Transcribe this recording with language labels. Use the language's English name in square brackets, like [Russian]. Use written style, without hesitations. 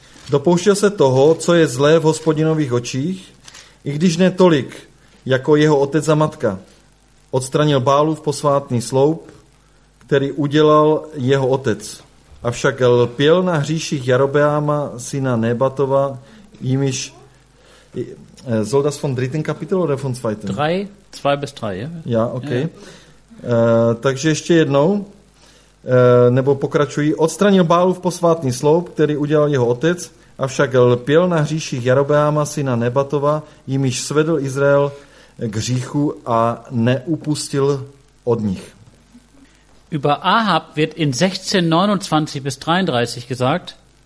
[Czech] Dopouštěl se toho, co je zlé v Hospodinových očích, i když ne tolik, jako jeho otec a matka. Odstranil Bálův posvátný sloup, který udělal jeho otec. Avšak lpěl na hříších Jarobeáma, syna Nebatova, jimiž... [German] Soll das von dritten Kapitel oder von zweiten? Drei, zwei bis drei. Ja, okay. [Czech] Takže ještě jednou. Nebo pokračují, odstranil Bálův posvátný sloup, který udělal jeho otec, avšak lpěl na hříších Jarobeáma, syna Nebatova, jimiž svedl Izrael k hříchu a neupustil od nich. [German] Über Ahab wird in 16:29 bis 33 gesagt.